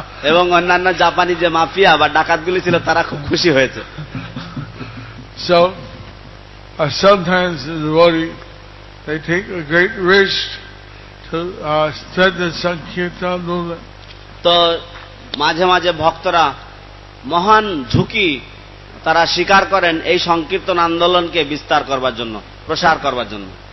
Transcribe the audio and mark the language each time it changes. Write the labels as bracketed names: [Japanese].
[Bangla] এবং অন্যান্য জাপানি যে মাফিয়া বা ডাকাতগুলি ছিল তারা খুব খুশি হয়েছে। [English] So sometimes the devotee, they take a great risk to spread the sankirtan movement. [Bangla] তো মাঝে মাঝে ভক্তরা মহান ঝুঁকি তারা স্বীকার করেন এই সংকীর্তন আন্দোলনকে বিস্তার করবার জন্য, প্রসার করবার জন্য।